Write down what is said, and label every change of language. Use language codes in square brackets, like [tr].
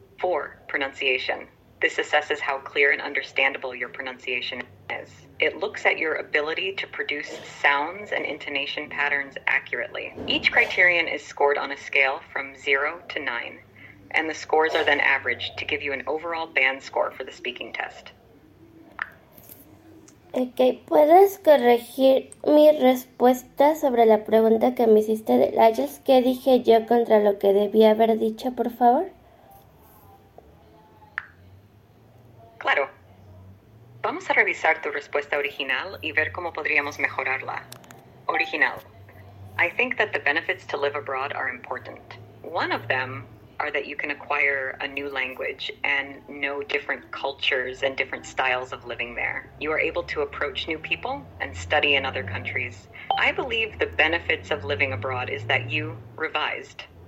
[en] 4, pronunciation. This assesses how clear and understandable your pronunciation is. It looks at your ability to produce sounds and intonation patterns accurately. Each criterion is scored on a scale from 0 to 9, and the scores are then averaged to give you an overall band score for the speaking test. [es] Ok, ¿puedes corregir mi respuesta sobre la pregunta que me hiciste de IELTS? ¿Qué dije yo contra lo que debía haber dicho, por favor? Claro. Vamos a revisar tu respuesta original y ver cómo podríamos mejorarla. Original. [en] I think that the benefits to live abroad are important. One of them are that you can acquire a new language and know different cultures and different styles of living there. You are able to approach new people and study in other countries. I believe the benefits of living abroad is that you revised.